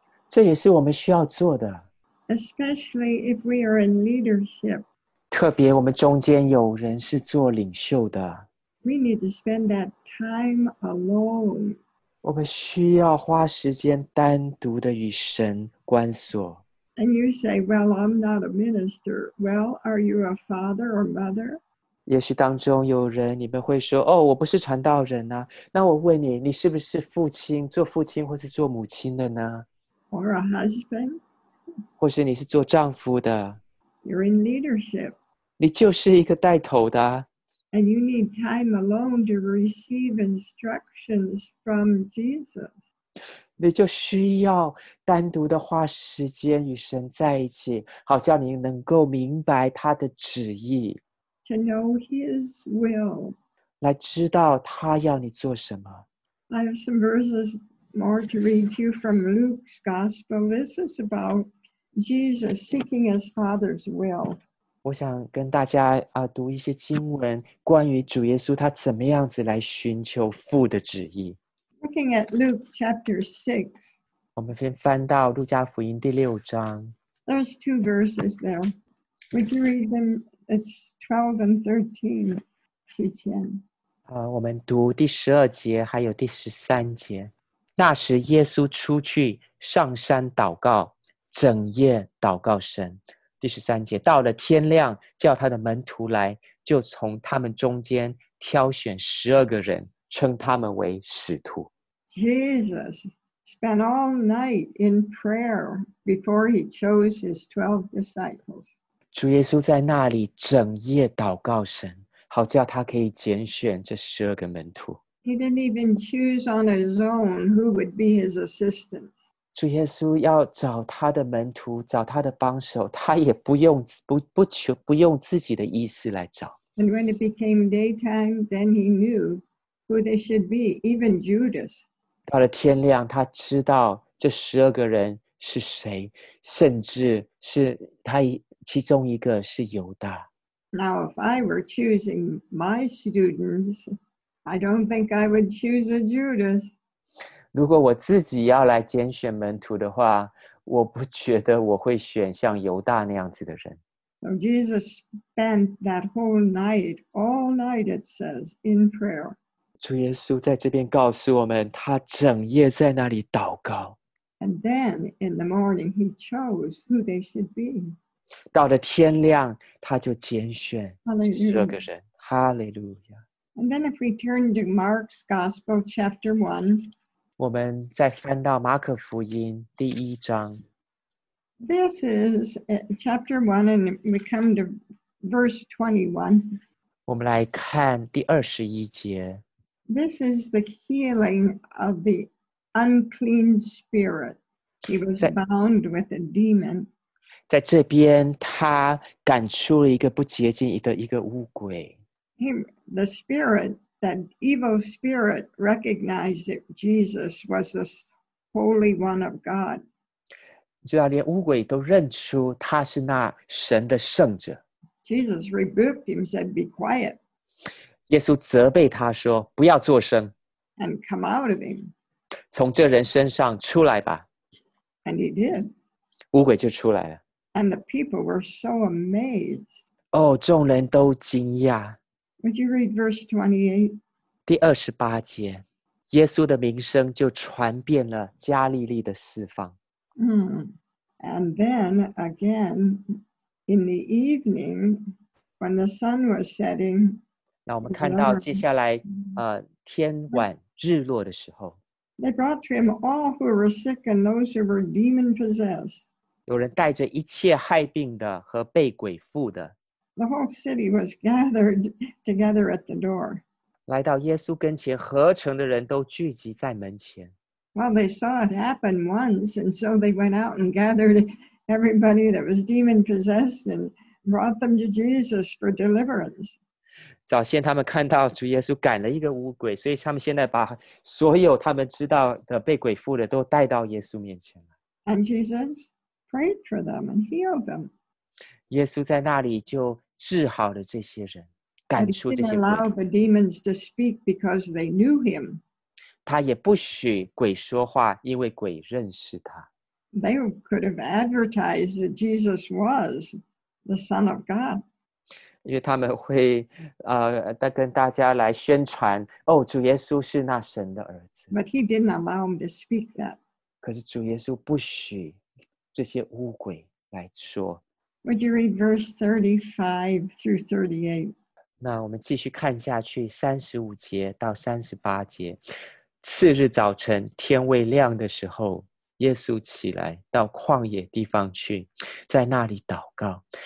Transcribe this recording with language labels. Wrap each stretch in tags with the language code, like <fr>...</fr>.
<zh>这也是我们需要做的。</zh> <en>Especially if we are in leadership.</en> <zh>特别我们中间有人是做领袖的。</zh> <en>We need to spend that time alone.</en> <zh>我们需要花时间单独的与神关锁。</zh> <en>And you say, well, I'm not a minister. Well, are you a father or mother?</en> <zh>也许当中有人，你们会说，哦，我不是传道人啊。那我问你，你是不是父亲，做父亲或是做母亲的呢？</zh> <en>Or a husband?</en> <zh>或是你是做丈夫的？</zh> <en>You're in leadership.</en> <zh>你就是一个带头的。</zh> <en>And you need time alone to receive instructions from Jesus.</en> <zh>你就需要单独的花时间与神在一起，好叫你能够明白他的旨意。</zh> <en>To know his will.</en> <zh>来知道他要你做什么。</zh> <en>I have some verses more to read to you from Luke's gospel. This is about Jesus seeking his father's will.</en> <zh>我想跟大家读一些经文，关于主耶稣他怎么样子来寻求父的旨意。</zh> <en>Looking at Luke chapter 6.</en> <zh>我们先翻到路加福音第六章。</zh> <en>There's two verses there. Would you read them? It's 12 and 13.</en> <zh>之前。我们读第十二节还有第十三节。那时耶稣出去上山祷告，整夜祷告神。第十三节，到了天亮，叫他的门徒来，就从他们中间挑选十二个人，称他们为使徒。</zh> <en>Jesus spent all night in prayer before he chose his 12 disciples.</en> <zh>主耶稣在那里整夜祷告神，好叫他可以拣选这十二个门徒。</zh> <en>He didn't even choose on his own who would be his assistant.</en> <zh>主耶稣要找他的门徒，找他的帮手，他也不用不求不用自己的意思来找。</zh> <en>And when it became daytime, then he knew who they should be, even Judas.</en> <zh>到了天亮，他知道这十二个人是谁，甚至是他其中一个是犹大。</zh> <en>Now, if I were choosing my students. I don't think I would choose a Judas.</en> <zh>如果我自己要来拣选门徒的话，我不觉得我会选像犹大那样子的人。</zh> <en>So Jesus spent that whole night, all night it says, in prayer.</en> <zh>主耶稣在这边告诉我们，他整夜在那里祷告。</zh> <en>And then in the morning he chose who they should be.</en> <zh>到了天亮，他就拣选十二个人。</zh> <en>Hallelujah. And then if we turn to Mark's Gospel, chapter 1.</en> <zh>我们再翻到马可福音第一章。</zh> <en>This is chapter 1 and we come to verse 21.</en> <zh>我们来看第二十一节。</zh> <en>This is the healing of the unclean spirit. He was bound with a demon.</en> <zh>在这边他赶出了一个不洁净一个污鬼。</zh> <en>The spirit, that evil spirit, recognized that Jesus was the Holy One of God.</en> <zh>知道连污鬼都认出他是那神的圣者。</zh> <en>Jesus rebuked him, said, "Be quiet."</en> <zh>耶稣责备他说，不要作声。</zh> <en>And come out of him.</en> <zh>从这人身上出来吧。</zh> <en>And he did.</en> <zh>污鬼就出来了。</zh> <en>And the people were so amazed.</en> <zh>哦，众人都惊讶。</zh> <en>Would you read verse 28?</en> <zh>第二十八节，耶稣的名声就传遍了加利利的四方。</zh> <en>And then again, in the evening, when the sun was setting,</en> <zh>那我们看到接下来，天晚日落的时候</zh> <en>，They brought to him all who were sick and those who were demon possessed.</en> <zh>有人带着一切害病的和被鬼附的。</zh> <en>The whole city was gathered together at the door.</en> <zh>来到耶稣跟前，合成的人都聚集在门前。</zh> <en>Well, they saw it happen once, and so they went out and gathered everybody that was demon-possessed and brought them to Jesus for deliverance.</en> <zh>早先他们看到主耶稣赶了一个污鬼，所以他们现在把所有他们知道的被鬼附的都带到耶稣面前了。</zh> <en>And Jesus prayed for them and healed them.</en> <zh>耶稣在那里就治好了这些人，赶出这些鬼。</zh> <en>He didn't allow the demons to speak because they knew him.</en> <zh>他也不许鬼说话，因为鬼认识他。</zh> <en>They could have advertised that Jesus was the Son of God.</en> <zh>因为他们会跟大家来宣传，哦，主耶稣是那神的儿子。</zh> <en>But he didn't allow him to speak that.</en> <zh>可是主耶稣不许这些污鬼来说。</zh> <en>Would you read verse 35 through 38?</en> <zh>那我们继续看下去35节到38节。次日早晨天未亮的时候，耶稣起来到旷野地方去，在那里祷告。</zh>